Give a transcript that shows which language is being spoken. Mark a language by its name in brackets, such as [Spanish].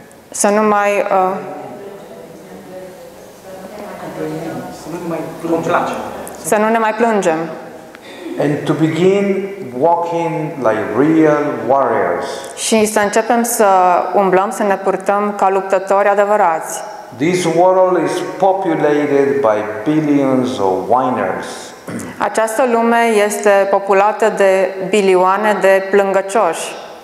[Romanian] Să nu mai să nu ne mai plângem. [English] And to begin walking like real warriors. [Romanian] Și să începem să umblăm, să ne purtăm ca luptători adevărați. [English] This world is populated by billions of whiners. [Romanian] Această lume este populată de bilioane de plângăcioși.